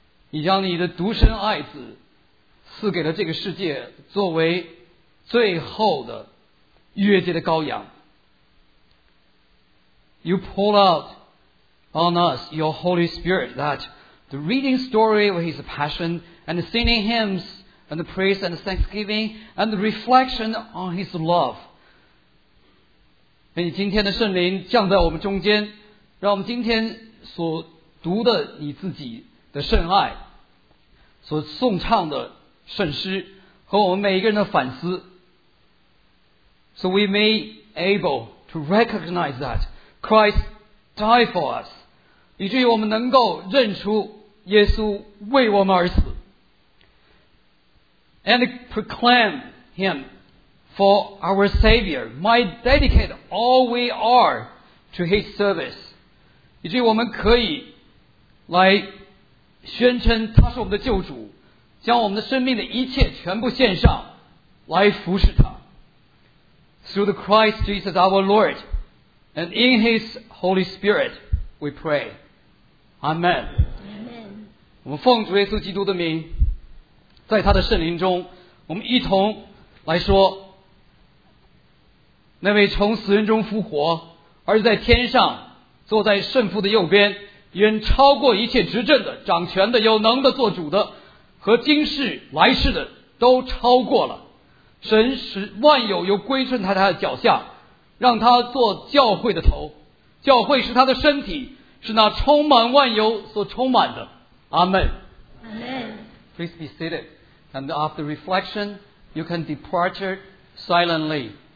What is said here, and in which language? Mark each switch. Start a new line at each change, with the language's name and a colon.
Chinese: 你将你的独生爱子赐给了这个世界，作为最后的逾越节的羔羊。
English: You pour out on us your Holy Spirit that the reading story of his passion and the singing hymns and the praise and the thanksgiving and the reflection on his love.
Chinese: 愿你今天的圣灵降在我们中间，让我们今天所读的你自己的圣爱，所颂唱的圣诗和我们每一个人的反思，
English: so we may able to recognize that Christ died for us,
Chinese: 以至于我们能够认出耶稣为我们而死，
English: and proclaim him for our Savior might dedicate all we are to His service.
Chinese: 以及我们可以来宣称他是我们的救主，将我们的生命的一切全部献上来服侍他。
English: Through the Christ Jesus our Lord, and in His Holy Spirit, we pray. Amen. Amen.
Chinese: 我们奉主耶稣基督的名，在他的圣灵中，我们一同来说，那位从死人中复活，而在天上坐在圣父的右边，远超过一切执政的、掌权的、有能的、做主的和今世来世的都超过了，神使万有又归顺他的脚下，让他做教会的头，教会是他的身体，是那充满万有所充满的。阿们。
English: Please be seated, and after reflection, you can depart silently.